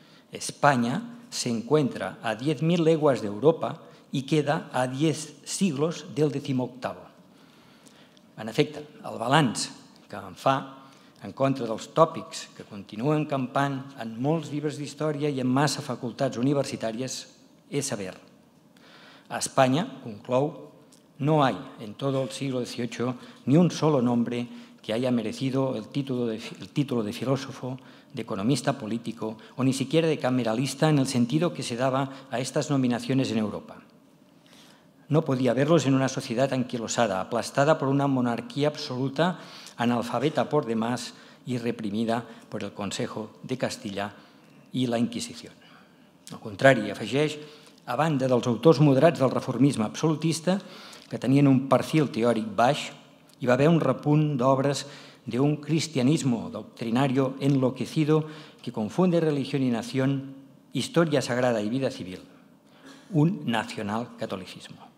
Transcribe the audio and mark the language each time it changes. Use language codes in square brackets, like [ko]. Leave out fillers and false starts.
[es] Espanya s'encuentra a 10.000 leguas d'Europa i queda a 10 siglos del 18. [ca] En efecte, el balanç que en fa, en contra dels tòpics que continuen campant en molts llibres d'història i en massa facultats universitàries, és sever. A Espanya, conclou, [es] no hay en todo el siglo XVIII ni un solo nombre que haya merecido el título de filósofo, de economista político o ni siquiera de cameralista en el sentido que se daba a estas nominaciones en Europa. No podía verlos en una sociedad anquilosada, aplastada por una monarquía absoluta, analfabeta por demás y reprimida por el Consejo de Castilla y la Inquisición. [ca] Al contrari, afegeix, a banda dels autors moderats del reformisme absolutista, que tenien un perfil teòric baix, hi va haver un repunt d'obres d'un cristianisme [es] doctrinario enloquecido que confunde [ca] religió i nació, història sagrada i vida civil, un nacionalcatolicisme.